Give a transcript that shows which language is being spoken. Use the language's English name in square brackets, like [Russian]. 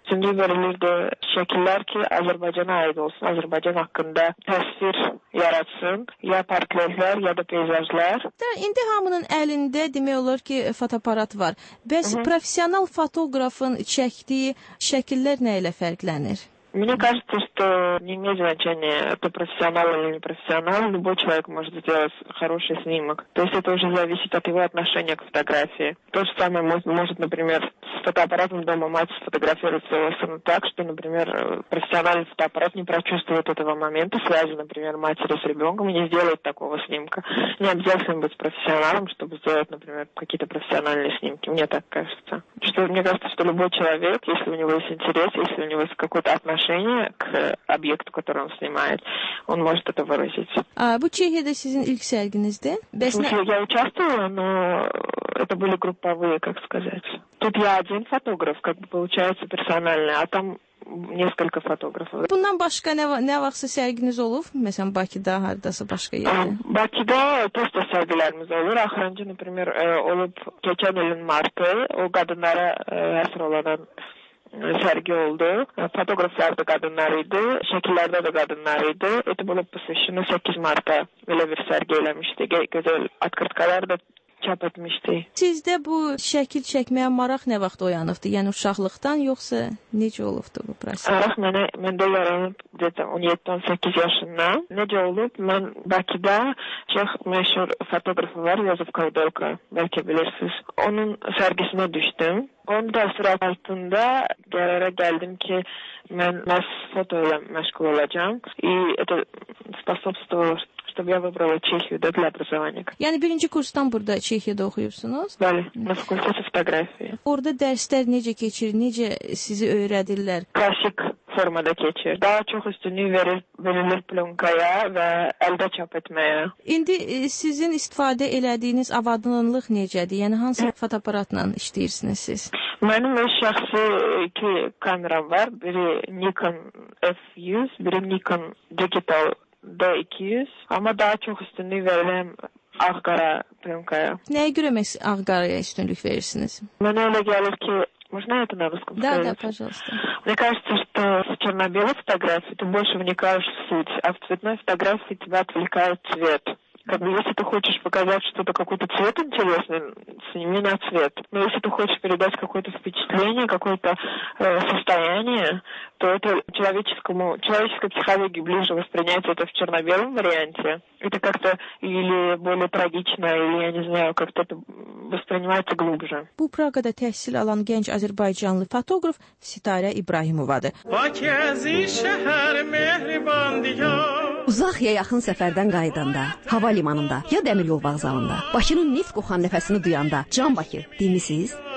[Azerbaijani] Üçüncü verilirdi şəkillər ki, Azərbaycana aid olsun, Azərbaycan haqqında təsvir yaratsın, ya portretlər, ya da peyzajlar. İndi hamının əlində demək olar ki, fotoaparat var. Bəs professional fotoqrafın çəkdiyi şəkillər nə ilə fərqlənir? [Russian] Мне кажется, что не имеет значения, это профессионал или не профессионал. Любой человек может сделать хороший снимок. То есть это уже зависит от его отношения к фотографии. То же самое может, например, с фотоаппаратом дома мать сфотографировать своего сына так, что, например, профессиональный фотоаппарат не прочувствует этого момента связи, например, матери с ребенком и не сделает такого снимка. Не обязательно быть профессионалом, чтобы сделать, например, какие-то профессиональные снимки. Мне так кажется. Что, мне кажется, что любой человек, если у него есть интерес, если у него есть какой-то отношение к объекту, который он снимает, он может это выразить. А вы Чехия сезон [Azerbaijani] ilk sergenizde? [Russian] Я участвовала, но это были групповые, как сказать. Тут я один фотограф, как бы получается персональный, а там несколько фотографов. [Azerbaijani] Bundan başqa nə vaxtsa sərginiz olub? Məsələn, Bakıda, haradasa başqa yerdə? Bakıda posta sərgilərimiz olur. Axırıncı, [Russian] например, [Azerbaijani] olub keçən ilin martı, o qadınlara əsr olan sərgi oldu. Fotoqraflar da qadınlar idi, şəkillərdə də qadınlar idi. [Russian] Это было посвящено 8 марта. [Azerbaijani] Belə bir sərgi eləmişdi. Gözəl atkırtkalar da çap etmişdi. Sizdə bu şəkil çəkməyə maraq nə vaxt oyanıbdı? Yəni uşaqlıqdan yoxsa necə olubdu bu proses? Maraq məndə yaranıb 17-18 yaşından. Necə olub? Mən Bakıda çox məşhur fotoqrafı var, Yozef Kovdolka, bəlkə bilirsiniz. Onun sərgisinə düşdüm. Onun təsiri altında qərara gəldim ki, mən məhz foto ilə məşğul olacağım. [Russian] Это способствовало, чтобы я выбрала Чехию, да, для образования. [Azerbaijani] Yəni, birinci kurstan burada Çexiyada oxuyursunuz? Bəli, [Russian] на факультете фотографии. [Azerbaijani] Orada dərslər necə keçir, necə sizi öyrədirlər? Klasik formada keçir. Daha çox üstünlük verilir plonkaya və əldə çap etməyə. İndi sizin istifadə elədiyiniz avadınlıq necədir? Yəni, hansı fotoaparatla işləyirsiniz siz? Mənim öz şəxsi iki kameram var. Biri Nikon F100, biri Nikon Digital D200. Amma daha çox üstünlük verirəm ağ-qara plonkaya. Nəyə görə məhz ağ-qaraya üstünlük verirsiniz? Mənə elə gəlir ki, [Russian] Можно это на русском сказать? Да, пожалуйста. Мне кажется, что в черно-белой фотографии ты больше вникаешь в суть, а в цветной фотографии тебя отвлекает цвет. Как бы, если ты хочешь показать что-то, какой-то цвет интересный, сними на цвет. Но если ты хочешь передать какое-то впечатление, какое-то состояние, то это человеческой психологии ближе воспринять это в черно-белом варианте. Это как-то или более трагично, или, я не знаю, как-то это воспринимается глубже. [Azerbaijani] Bu Praqada təhsil alan gənc azərbaycanlı fotoqraf Sitarə İbrahimovadır. Bakı əziz şəhər mehriban diyar. Uzaq ya yaxın səfərdən qayıdanda, hava limanında, ya dəmir yol vağzalında, Bakının nif qoxan nəfəsini duyanda, Can Bakı, deyilmisiniz?